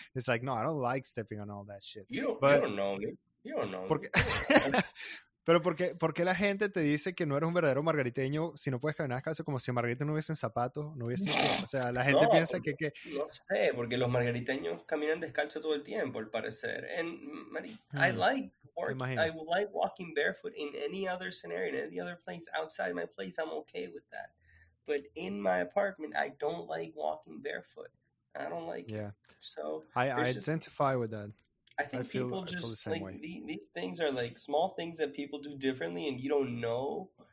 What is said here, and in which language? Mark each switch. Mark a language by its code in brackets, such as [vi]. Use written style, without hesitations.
[en] It's like, no, I don't like stepping on all that shit. You don't know me. [es] Pero porque la gente te dice que no eres un verdadero margariteño si no puedes caminar descalzo, como si Margarita no hubiese zapatos, no hubiese. O sea, la gente piensa que. No sé, porque los margariteños caminan descalzo todo el tiempo, al parecer. [en] I would like walking barefoot in any other scenario, in any other place outside my place, I'm okay with that. But in my apartment, I don't like walking barefoot. I don't like it. So I identify with that. I feel the same way. These things are like small things that people do differently, and you don't know